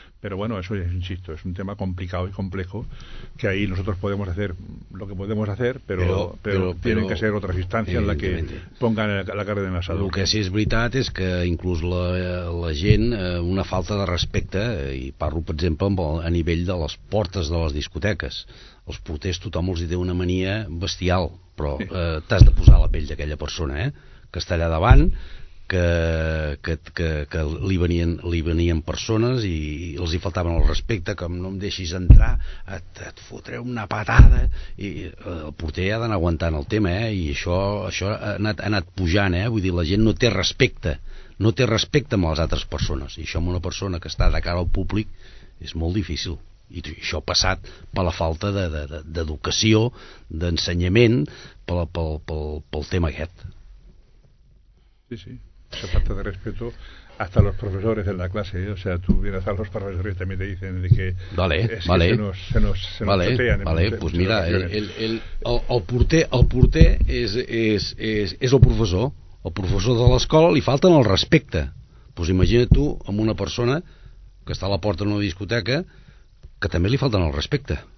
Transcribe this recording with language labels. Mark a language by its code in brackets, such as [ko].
[es] Pero bueno, eso es, insisto, es un tema complicado y complejo, que ahí nosotros podemos hacer lo que podemos hacer, pero tienen que ser otras instancias en las que pongan la carne en el asador. Lo que sí es verdad es que incluso la gente, una falta de respeto, y parlo, por ejemplo, a nivel [ca] de les portes de les discoteques. Els porters, tothom els hi té una mania bestial, però t'has de posar la pell d'aquella persona, que està allà davant, que li venien persones i els hi faltaven el respecte, com no em deixis entrar, et fotré una patada. I el porter ha d'anar aguantant el tema, i això ha anat pujant, vull dir, la gent no té respecte, no té respecte amb les altres persones, i això amb una persona que està de cara al públic és molt difícil. I això ha passat per la falta d'educació, d'ensenyament, pel tema aquest. Sí, sí. [es] Esa falta de respeto hasta los profesores en la clase, ¿eh? O sea, tú vienes a los profesores y también te dicen de que, vale, es vale, que se nos vale, chotean. [ca] Vale, [es] pues mira, [ca] el porter és el professor. El professor de l'escola li falta el respecte. [es] Pues imagina tu [ca] amb una persona que està a la porta d'una discoteca que també li falta el respecte.